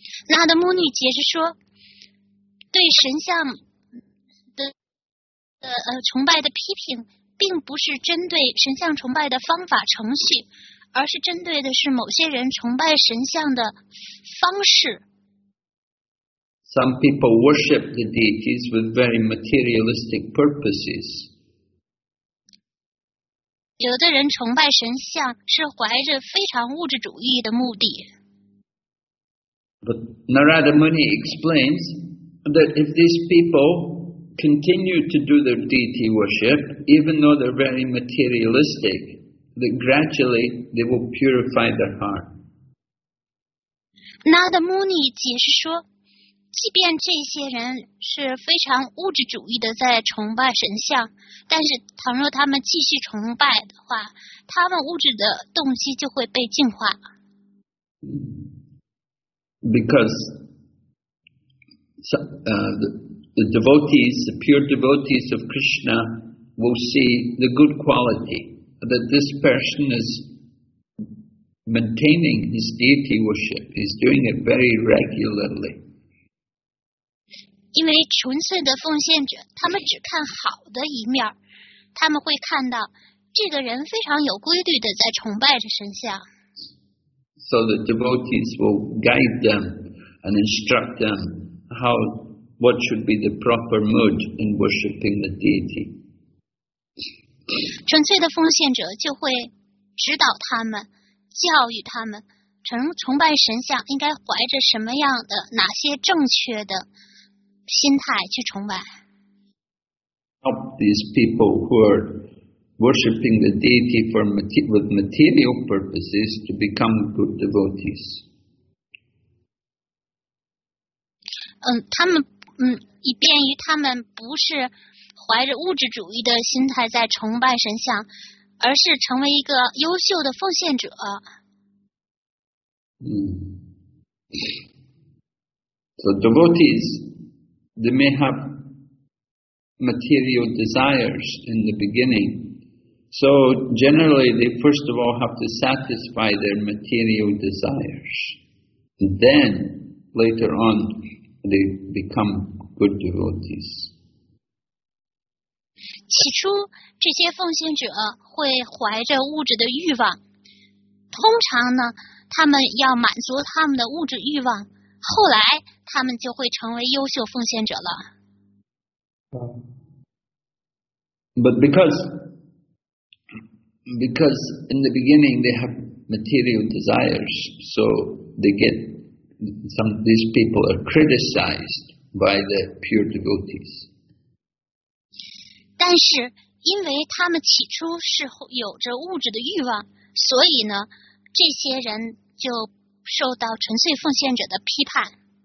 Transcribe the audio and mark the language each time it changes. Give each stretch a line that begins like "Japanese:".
Chinese: Narada Muni 解释说，对神像的崇拜的批评，并不是针对神像崇拜的方法程序，而是针对的是某些人崇拜神像的方式。
English: Some people worship the deities with very materialistic purposes.
Chinese: 有的人崇拜神像是怀着非常物质主义的目的。
English: But Narada Muni explains that if these people continue to do their deity worship, even though they're very materialistic, that gradually they will purify their heart.
Chinese: Narada Muni 解释说, 即便这些人是非常物质主义的在崇拜神像，但是倘若他们继续崇拜的话，他们物质的动机就会被净化。
English: Because the devotees, the pure devotees of Krishna will see the good quality that this person is maintaining his deity worship. He's doing it very regularly. Because pure devotees, they only see the good side. They will see that this person is very regularly worshiping God. So the devotees will guide them and instruct them how, what should be the proper mood in worshipping the deity.
Chinese: 纯粹的奉献者就会指导他们，教育他们，崇拜神像应该怀着什么样的，哪些正确的心态去崇拜。
English: Help these people who are worshipping the deity for with material purposes to become good devotees.
Chinese: 他们以便于他们不是怀着物质主义的心态在崇拜神像，而是成为一个优秀的奉献者。
English: So devotees, they may have material desires in the beginning. So, generally, they first of all have to satisfy their material desires. Then, later on, they become good devotees.
Chinese: 起初，这些奉献者会怀着物质的欲望。通常呢，他们要满足他们的物质欲望。后来，他们就会成为优秀奉献者了。
English: But because in the beginning they have material desires, so they get some, these people are criticized by the pure devotees.
Chinese: 但是因为他们起初是有着物质的欲望，所以呢，这些人就受到纯粹奉献者的批判。